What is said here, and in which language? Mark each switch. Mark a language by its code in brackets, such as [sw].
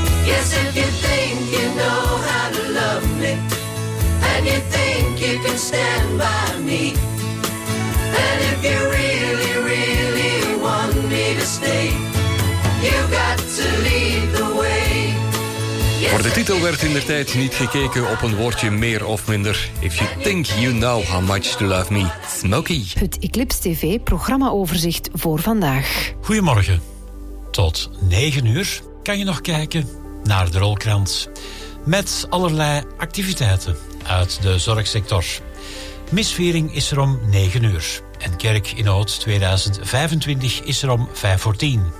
[en] Yes, if you think you know how to love me, and you think you can stand by me, and if you really, really want me to stay, you got to lead the way. [nl] Voor de titel werd in der tijd niet gekeken op een woordje meer of minder. [en] If you think you know how much to love me, Smokey. [nl] Het Eclipse TV programmaoverzicht voor vandaag. Goedemorgen. Tot 9 uur kan je nog kijken naar de rolkrant. Met allerlei activiteiten uit de zorgsector. Misviering is er om 9 uur. En Kerk in Oud 2025 is er om 9:55.